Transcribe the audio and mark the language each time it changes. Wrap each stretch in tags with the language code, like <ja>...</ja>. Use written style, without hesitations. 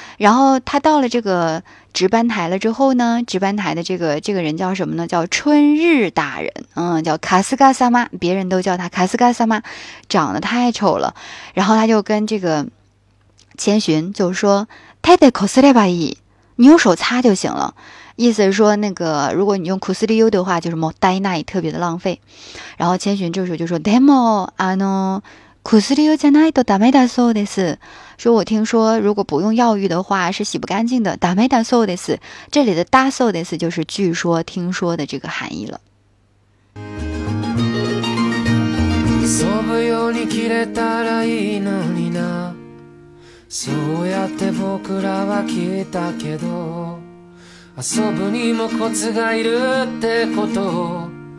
<zh>然后他到了这个值班台了之后呢，值班台的这个人叫什么呢，叫春日大人，叫卡斯嘎萨妈，别人都叫他卡斯嘎萨妈，长得太丑了。然后他就跟这个千寻就说，泰德口斯列巴伊，你用手擦就行了，意思是说那个如果你用库斯利优的话就是莫呆奈，特别的浪费。然后千寻这时候就说，</zh> <ja>でもあの薬用じゃないとダメだそうです。</ja> <zh>说我听说如果不用药浴的话是洗不干净的。</zh> <ja>ダメだそうです。</ja> <zh>这里的だそうです就是据说听说的这个含义了。</zh> <ja>遊ぶように切れたらいいのにな。そうやって僕らは聞いたけど。遊ぶにもコツがいるってこと。</ja>